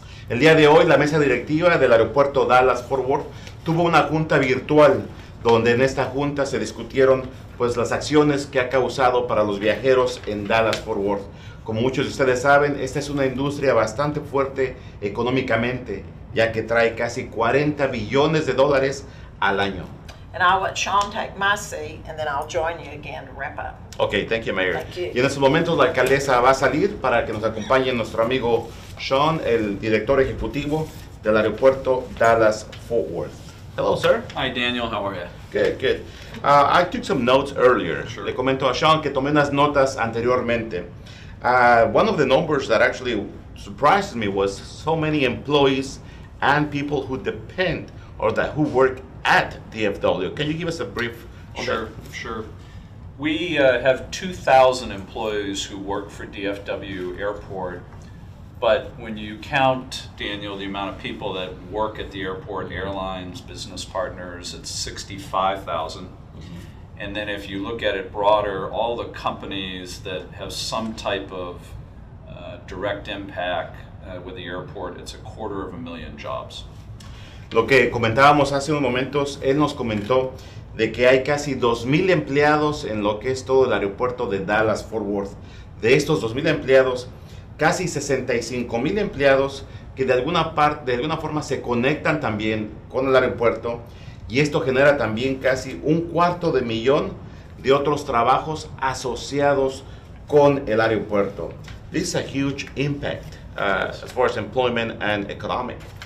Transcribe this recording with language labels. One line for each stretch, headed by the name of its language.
Spanish: El día de hoy, la mesa directiva del aeropuerto Dallas-Fort Worth tuvo una junta virtual, donde en esta junta se discutieron pues las acciones que ha causado para los viajeros en Dallas-Fort Worth. Como muchos de ustedes saben, esta es una industria bastante fuerte económicamente, ya que trae casi 40 billones de dólares al año.
English: And I'll let Sean take my seat, and then I'll join you again to wrap up. Okay, thank you, Mayor. Thank you. Y en estos momentos la alcaldesa va a salir para que nos acompañe nuestro amigo Sean, el director ejecutivo del aeropuerto Dallas-Fort Worth. Hello, sir. Hi, Daniel. How are you? Good, good. I took some notes earlier. Sure.
Spanish: Le comento a Sean que tomé unas notas anteriormente.
English: One of the numbers that actually surprised me was so many employees and people who depend or that who work at DFW. Can you give us a brief? Sure. We have 2,000 employees who work for DFW Airport. But when you count, Daniel, the amount of people that work at the airport, airlines, business partners, it's 65,000. Mm-hmm. And then if you look at it broader, all the companies that have some type of direct impact with the airport, it's 250,000 jobs.
Spanish: Lo que comentábamos hace unos momentos, él nos comentó de que hay casi 2,000 empleados en lo que es todo el aeropuerto de Dallas-Fort Worth. De estos 2,000 empleados, casi 65,000 empleados que de alguna forma se conectan también con el aeropuerto, y esto genera también casi 250,000 de otros trabajos asociados con el aeropuerto.
English: This is a huge impact as far as employment and economic.